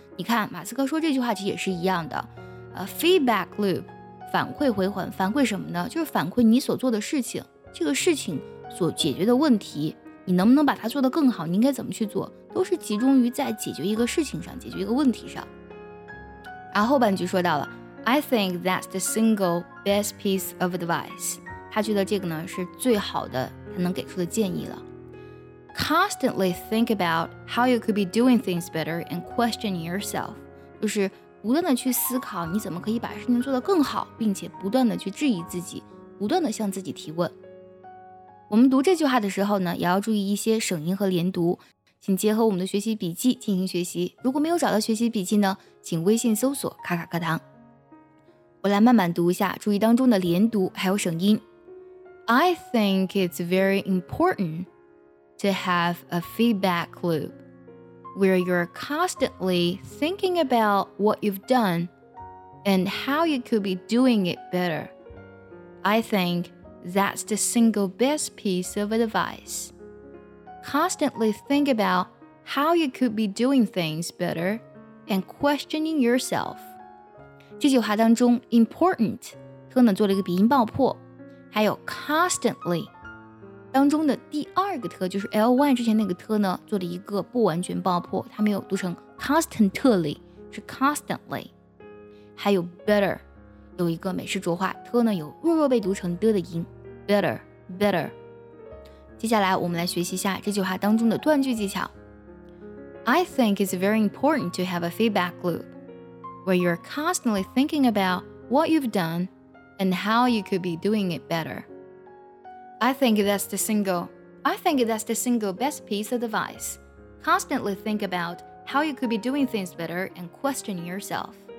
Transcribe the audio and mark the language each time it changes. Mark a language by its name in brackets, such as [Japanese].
[Chinese] 你看马斯克说这句话其实也是一样的， feedback loop， 反馈回环。反馈什么呢？就是反馈你所做的事情，这个事情所解决的问题，你能不能把它做得更好，你应该怎么去做，都是集中于在解决一个事情上，解决一个问题上。然后后半句说到了 [English] I think that's the single best piece of advice. [Chinese] 他觉得这个呢是最好的他能给出的建议了。 [English] Constantly think about how you could be doing things better and questioning yourself. [Chinese] 就是不断的去思考你怎么可以把事情做得更好，并且不断的去质疑自己，不断的向自己提问。我们读这句话的时候呢，也要注意一些省音和连读，请结合我们的学习笔记进行学习。如果没有找到学习笔记呢，请微信搜索卡卡课堂。我来慢慢读一下，注意当中的连读还有省音。 [English] I think it's very important to have a feedback loop where you're constantly thinking about what you've done and how you could be doing it better. I think that's the single best piece of advice. Constantly think about how you could be doing things better and questioning yourself. [Chinese] 这句话当中 important 特呢做了一个鼻音爆破，还有 constantly 当中的第二个特，就是 ly 之前那个特呢做了一个不完全爆破，它没有读成 constantly， 是 constantly。还有 better 有一个美式浊化，特呢有弱弱被读成的音 better better。接下来我们来学习一下这句话当中的断句技巧。 [English] I think it's very important to have a feedback loopWhere you're constantly thinking about what you've done and how you could be doing it better. I think that's the single best piece of advice. Constantly think about how you could be doing things better and question yourself.